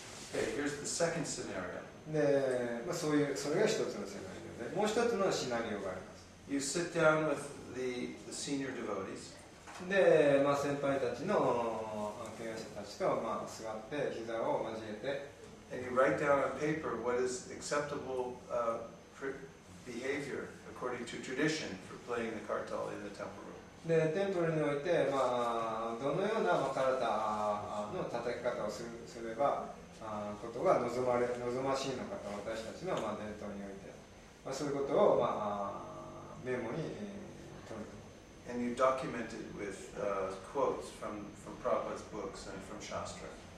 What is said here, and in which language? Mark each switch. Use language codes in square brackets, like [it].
[en] Okay, here's the second scenario. [ja] で、まあ、そういう、それが一つのシナリオで、もう一つのシナリオがあります。 [en] You sit down with the senior devotees. [ja] で、まあ、先輩たちの経営者たちと、まあ、座って膝を交えて。 [en] And you write down on paper what is acceptable behavior according to tradition for playing the kartal in the temple room. [ja] で、テンプルにおいて、まあ、どのようなカルタの叩き方をすれば、ことが望ましいのかと私たちの、まあ、伝統において、まあ、そういうことを、まあ、メモに取る。 [en] And you documented with quotes from Prabhupada's books and from Shastra.